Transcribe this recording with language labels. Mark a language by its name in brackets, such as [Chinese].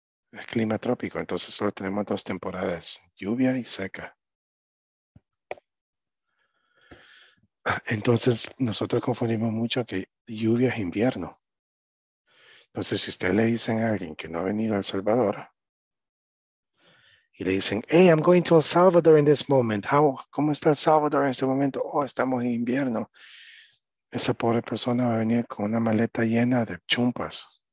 [Spanish] Es clima trópico. Entonces solo tenemos dos temporadas. Lluvia y seca. Entonces nosotros confundimos mucho que lluvia es invierno. Entonces si usted le dicen a alguien que no ha venido a El Salvador. Y le dicen, [English] hey, I'm going to El Salvador in this moment. How, [Spanish] ¿cómo está El Salvador en este momento? Oh, estamos en invierno. Esa pobre persona va a venir con una maleta llena de chumpas.